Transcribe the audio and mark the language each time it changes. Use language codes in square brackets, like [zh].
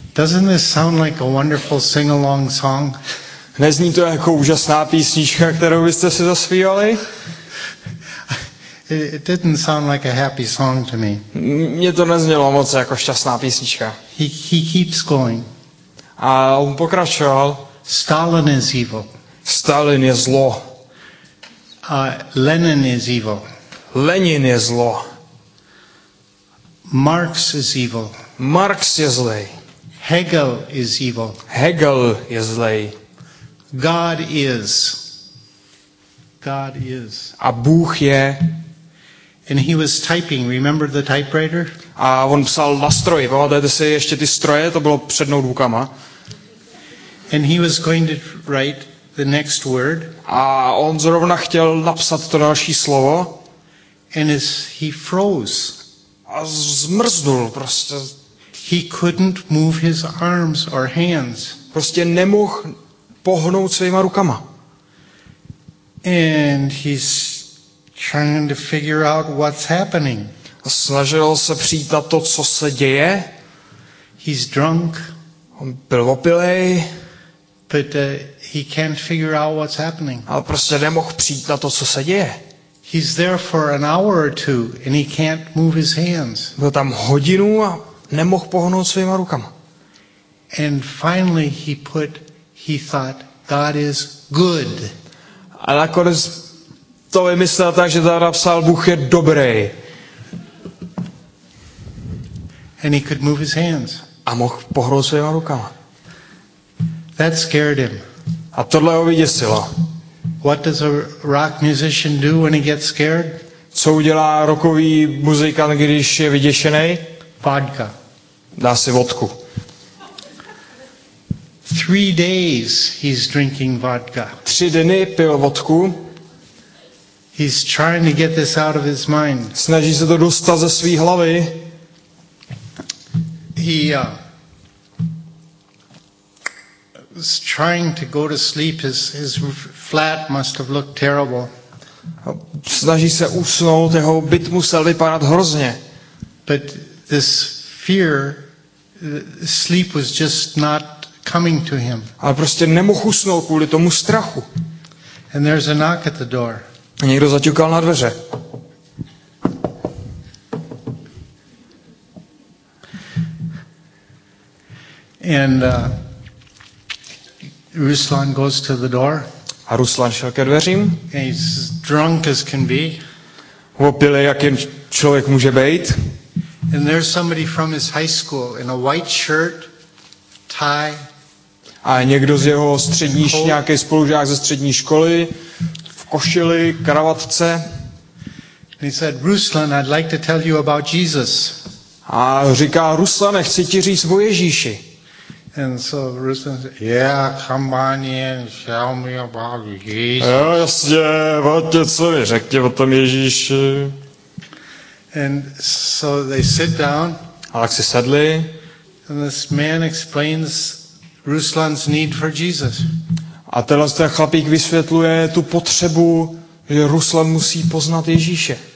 [en] Doesn't this sound like a wonderful sing-along song? [cs] Nezní to jako úžasná písnička, kterou byste si zaspívali? [en] It didn't sound like a happy song to me. [cs] Mně to neznělo moc jako šťastná písnička. [en] He keeps going. [cs] A on pokračoval. [en] Stalin is evil. [cs] Stalin je zlo. [en] Lenin is evil. [cs] Lenin je zlo. [en] Marx is evil. [cs] Marx je zlej. [en] Hegel is evil. [cs] Hegel je zlej. [en] God is. God is. [cs] A Bůh je. [en] And he was typing. Remember the typewriter? [cs] A on psal na stroji. Pamatujete si ještě ty stroje? To bylo před notebookama. [en] And he was going to write the next word. [cs] A on zrovna chtěl napsat to další slovo. [en] And he froze. [cs] A zmrznul prostě. [en] He couldn't move his arms or hands. [cs] Prostě nemohl pohnout svýma rukama. [en] And he's trying to figure out what's happening. [cs] Snažil se přijít na to, co se děje. [en] He's drunk. [cs] On byl opilej. [en] But he can't figure out what's happening. [cs] Ale prostě nemohl přijít na to, co se děje. [en] He's there for an hour or two and he can't move his hands. [cs] Byl tam hodinu a nemohl pohnout svýma rukama. [en] And finally he thought God is good. [cs] A nakonec to vymyslel tak, že tam napsal Bůh je dobrý. [en] And he could move his hands. [cs] A mohl pohnout svýma rukama. [en] That scared him. [cs] A tohle ho vyděsilo. [en] What does a rock musician do when he gets scared? [cs] Co udělá rockový muzikant, když je vyděšený? [en] Vodka. [cs] Dá si vodku. [en] 3 days he's drinking vodka. [cs] 3 dny pil vodku. [en] He's trying to get this out of his mind. [cs] Snaží se to dostat ze své hlavy. [en] He was trying to go to sleep. His flat must have looked terrible. [cs] Snaží se usnout, jeho byt musel vypadat hrozně. [en] But this fear, sleep was just not coming to him. [cs] Ale prostě nemohl usnout kvůli tomu strachu. [en] And there's a knock at the door. [cs] A někdo zaťukal na dveře. [en] And Ruslan goes to the door. [cs] A Ruslan šel ke dveřím. [en] He's drunk as can be. [cs] Opilý, jak jen člověk může být. [en] And there's somebody from his high school in a white shirt, tie. [cs] A někdo z jeho střední, nějaký spolužák ze střední školy v košili, kravatce. [en] And he said, Ruslan, I'd like to tell you about Jesus. [cs] A říká, Ruslan, chci ti říct o Ježíši. [en] And so Ruslan said, yeah, come on in, tell me about Jesus. [cs] Jo, jasně, pojďte, co mi řekni o tom Ježíši. [en] And so they sit down. [cs] A tak si sedli. [en] And this man explains Ruslan's need for Jesus. [cs] A tenhle ten chlapík vysvětluje tu potřebu, že Ruslan musí poznat Ježíše.